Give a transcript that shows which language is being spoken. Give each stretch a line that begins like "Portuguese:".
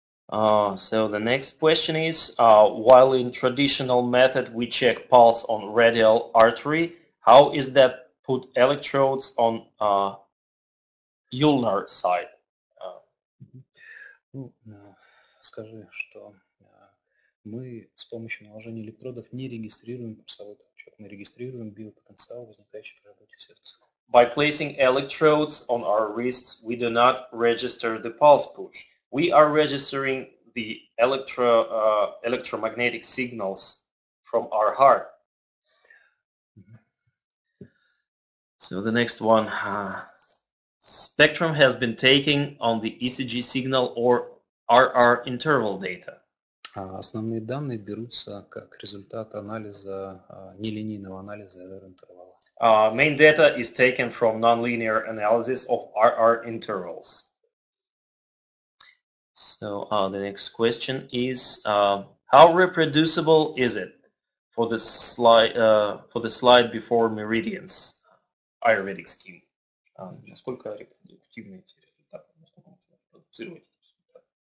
English: So the next question is while in traditional method we check pulse on radial artery, how is that put electrodes on ulnar side?
Russian: Скажи, что мы с помощью наложения электродов не регистрируем пульсовой толчок, мы регистрируем биопотенциал, возникающий при работе сердца.
English: By placing electrodes on our wrists, we do not register the pulse push. We are registering the electromagnetic signals from our heart. So the next one. Spectrum has been taken on the ECG signal or RR interval data.
Russian: Основные данные берутся как результат анализа нелинейного анализа RR-интервала.
English: Main data is taken from non-linear analysis of RR intervals. So the next question is how reproducible is it for the slide before meridians ayurvedic scheme?
Russian: Насколько репродуктивны эти результаты? Насколько можно репродуцировать эти результаты?